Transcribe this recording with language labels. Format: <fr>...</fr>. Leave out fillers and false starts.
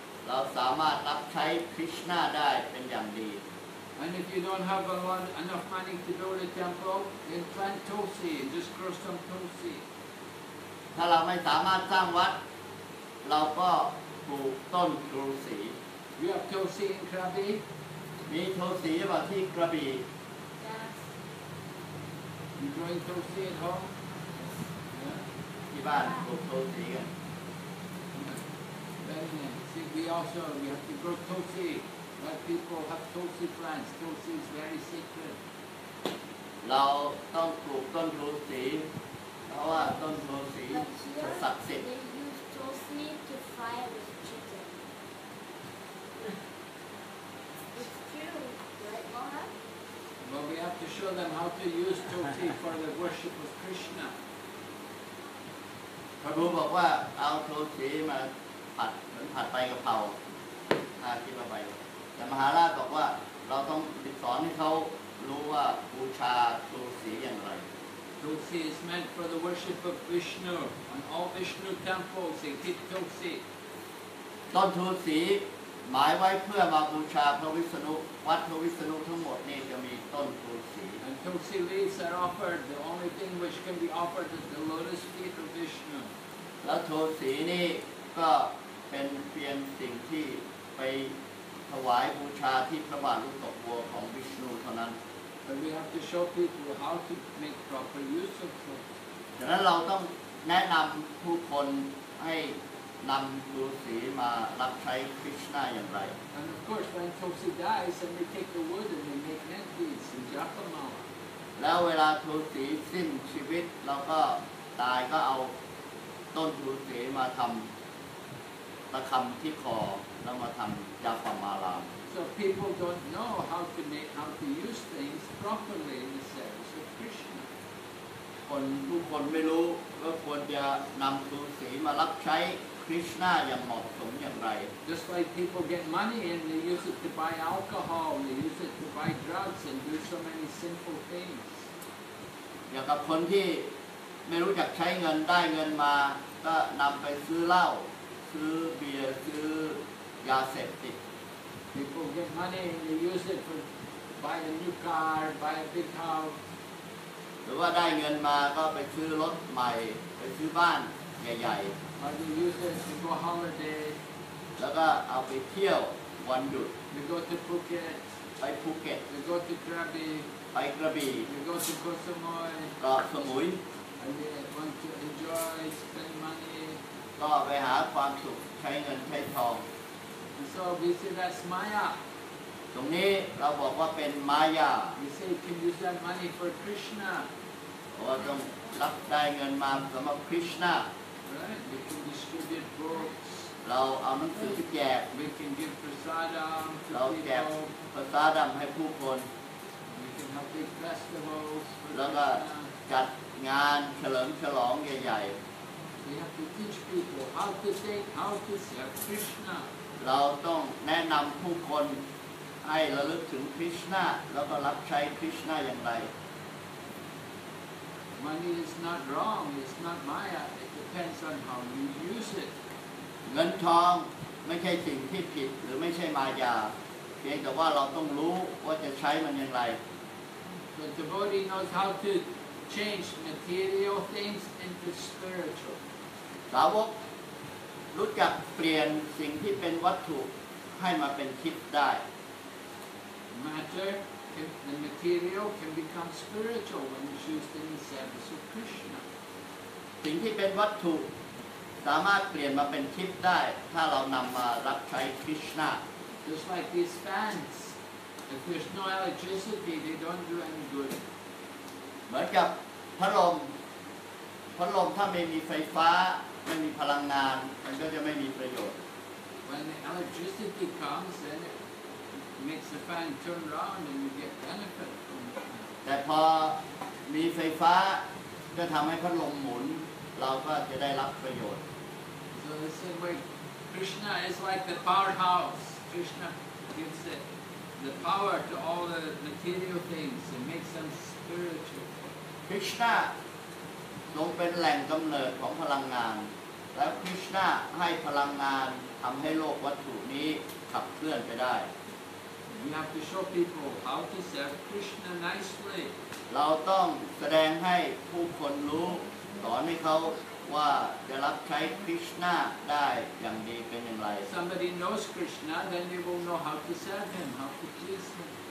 <th>เราสามารถรับใช้คริชนาได้เป็นอย่างดี</th> <en>And if you don't have a lot, enough money to build a temple, then plant tulsi and just grow some tulsi.</en> <th>ถ้าเราไม่สามารถสร้างวัดเราก็ปลูกต้นทุลสี</th> <en>You have tulsi in Krabi?</en> <th>มีทุลสีอยู่ที่กระบี</th> <en>Yes. You growing tulsi at home? Yes.</en> <th>Yeah. ที่บ้านปลูกทุลสีกัน</th> <en>Very nice. See, we also we have to grow tulsi. But people have tulsi plants. Tulsi is very sacred.</en> <th>เราต้องปลูกต้นทุลสีเพราะว่าต้นทุลสีศักดิ์สิทธิ์</th> <en>They use tulsi to fire with chicken. It's true, right, Mohan? Well, we have to show them how to use tulsi for the worship of Krishna.</en> <th>พระบุญบอกว่าเอาทุลสีมาผัดเหมือนผัดใบกะเพราถ้าคิดว่าใบแต่มหาราชบอกว่าเราต้องสอนให้เขารู้ว่าบูชาตุลสีอย่างไร</th> <en>ตุลสี is meant for the worship of Vishnu and all Vishnu temples they keep tulsi</en> <th>ต้นทุลสีหมายไว้เพื่อมาบูชาพระวิษณุวัดพระวิษณุทั้งหมดนี่จะมีต้นทุลสี</th> <en>and tulsi leaves are offered the only thing which can be offered is the lotus feet of Vishnu</en> <th>และทุลสีนี่ก็เป็นเพียงสิ่งที่ไปถวายบูชาที่พระบาทลูกตกบัวของวิษณุเท่านั้น</th> <en>But we have to show people how to make proper use of them.</en> <th>ฉะนั้นเราต้องแนะนำผู้คนให้นำทุลสีมารับใช้คริชนาอย่างไร</th> <en>And of course when Tulsi dies and they take the wood and they make necklaces and japamala</en> <th>แล้วเวลาทุลสีสิ้นชีวิตเราก็ตายก็เอาต้นทุลสีมาทำระคำที่คอแล้วมาทำยาฟอร์มาลาม</th> <en>So people don't know how to make how to use things properly in the service of Krishna.</en> <th>คนผู้คนไม่รู้ว่าควรจะนำทุลสีมารับใช้คริชนาอย่างเหมาะสมอย่างไร</th> <en>Just like people get money and they use it to buy alcohol, they use it to buy drugs and do so many sinful things.</en> <th>อย่างกับคนที่ไม่รู้จักใช้เงินได้เงินมาก็นำไปซื้อเหล้าซื้อเบียร์ซื้อยาเสพติด</th> <en>People get money and they use it for buy a new car, buy a big house.</en> <th>หรือว่าได้เงินมาก็ไปซื้อรถใหม่ไปซื้อบ้านใหญ่</th> <en>ๆ Or they use it to go holiday.</en> <th>แล้วก็เอาไปเที่ยววันหยุด</th> <en>They go to Phuket.</en> <th>ไปภูเก็ต</th> <en>They go to Krabi.</en> <th>ไปกระบี่</th> <en>They go to Koh Samui.</en> <th>เกาะสมุย</th> <en>And they want to enjoy, spend money.</en> <th>ก็ไปหาความสุขใช้เงินใช้ทอง</th> <en>so we see that's Maya</en> <th>ตรงนี้เราบอกว่าเป็นมายา</th> <en>we say can use that money for Krishna</en> <th>เราต้องรับได้เงินมาสำหรับคริชนา</th> <en>right we can distribute books</en> <th>เราเอาหนังสือไปแจก</th> <en>we can give prasadam</en> <th>เราแจกprasadamให้ผู้คน</th> <en>we can have big festivals</en> <th>แล้วก็จัดงานเฉลิมฉลองใหญ่</th> <en>We have to teach people how to say, how to serve Krishna.</en> <th>เราต้องแนะนำผู้คนให้ระลึกถึงคริชนาแล้วก็รับใช้คริชนาอย่างไร</th> <en>Money is not wrong. It's not Maya. It depends on how you use it.</en> <th>เงินทองไม่ใช่สิ่งที่ผิดหรือไม่ใช่มายาเพียงแต่ว่าเราต้องรู้ว่าจะใช้มันอย่างไร</th> <en>The devotee knows how to change material things into spiritual.</en> <th>สาวกรู้จักเปลี่ยนสิ่งที่เป็นวัตถุให้มาเป็นคิดได้</th> <en>Matter, the material can become spiritual when it's used in the service of Krishna.</en> <th>สิ่งที่เป็นวัตถุสามารถเปลี่ยนมาเป็นคิดได้ถ้าเรานำมารับใช้ Krishna.</th> <en>Just like these fans, if there's no electricity, they don't do any good.</en> <th>เหมือนกับพัดลมพัดลมถ้าไม่มีไฟฟ้าไม่มีพลังงานมันก็จะไม่มีประโยชน์</th> <en>When the electricity comes then it makes the fan turn round and you get benefit from it</en> <th>แต่พอมีไฟฟ้าก็ทำให้พัดลมหมุนเราก็จะได้รับประโยชน์</th> <en>So the same way, Kri- Krishna is like the powerhouse. Krishna gives the power to all the material things and makes them spiritual.</en> <th>Krishna ทรงเป็นแหล่งกำเนิดของพลังงาน แล้ว Krishna ให้พลังงาน ทำให้โลกวัตถุนี้ขับเคลื่อนไปได้</th> <en>We have to show people how to serve Krishna nicely.</en> <th>เราต้องแสดงให้ผู้คนรู้ สอนให้เขาว่าจะรับใช้คริชนาได้อย่างดีเป็นอย่างไร</th> <en>Somebody knows Krishna then they will know how to serve him, how to please him.</en>